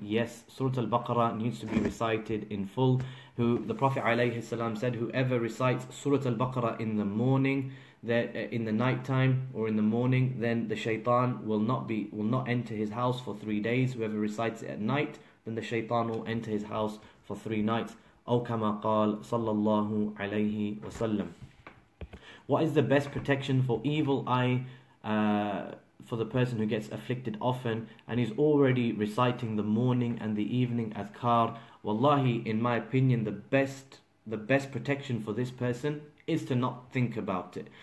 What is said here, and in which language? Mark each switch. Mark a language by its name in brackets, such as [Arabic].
[English] Yes, Surah Al-Baqarah needs to be recited in full. Who the Prophet alayhi salam said, whoever recites Surah Al-Baqarah in the morning, in the night time or in the morning, then the shaitan will not enter his house for 3 days. Whoever recites it at night, then the shaitan will enter his house for 3 nights. [Arabic] أو كما قال صلى الله عليه وسلم. [English] What is the best protection for evil eye? For the person who gets afflicted often and is already reciting the morning and the evening adhkar, wallahi, in my opinion, the best protection for this person is to not think about it.